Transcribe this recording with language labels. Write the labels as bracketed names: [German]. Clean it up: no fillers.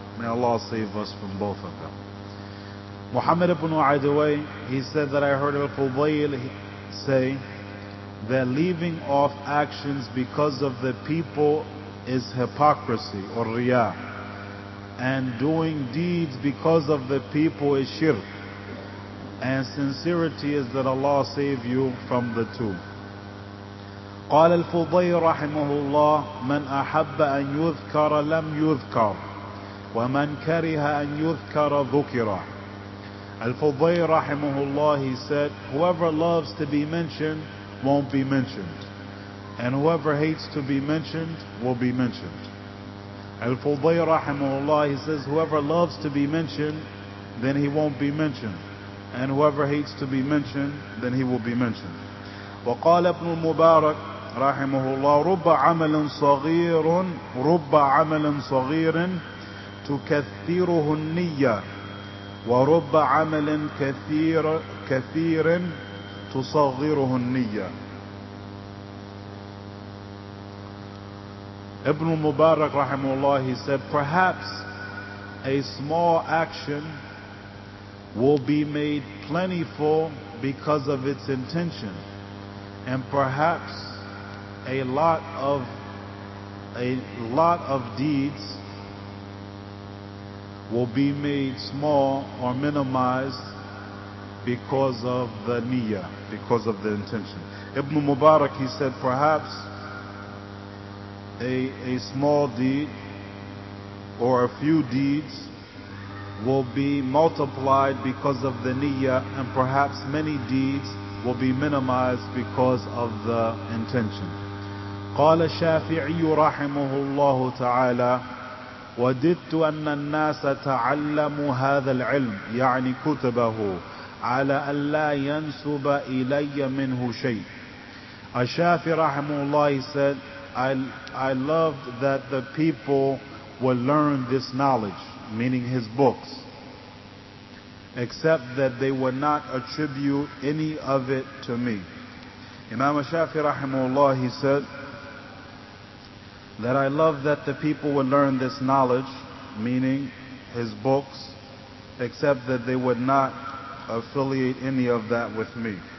[English] May Allah save us from both of them. Muhammad ibn Adaway, he said that I heard Al-Fudayl say, that leaving off actions because of the people is hypocrisy or riya, and doing deeds because of the people is shirk, and sincerity is that Allah save you from the two. [Arabic] قال الفضيل رحمه الله من أحب أن يذكر لم يذكر ومن كره أن يذكر ذكر. [English] الفضيل [Arabic] رحمه الله, [English] he said, whoever loves to be mentioned won't be mentioned, and whoever hates to be mentioned will be mentioned. Al-Fudayl rahimahullah, he says, whoever loves to be mentioned, then he won't be mentioned, and whoever hates to be mentioned, then he will be mentioned. [Arabic] وقال ابن المبارك رحمه الله رب عمل صغير تكثره النية ورب عمل كثير تصغره النية. [English] Ibn Mubarak rahimahullah, he said, perhaps a small action will be made plentiful because of its intention, and perhaps a lot of deeds will be made small or minimized because of the niyyah, because of the intention. Ibn Mubarak, he said, perhaps A small deed or a few deeds will be multiplied because of the niyyah, and perhaps many deeds will be minimized because of the intention. [Arabic] قال الشافعي رحمه الله تعالى وددت أن الناس تعلموا هذا العلم يعني كتبه على أن لا ينسب إلي منه شيء. [English] الشافعي [Arabic] رحمه الله, [English] he said, I loved that the people would learn this knowledge, meaning his books, except that they would not attribute any of it to me. Imam Shafi rahimahullah, he said, that I love that the people would learn this knowledge, meaning his books, except that they would not affiliate any of that with me.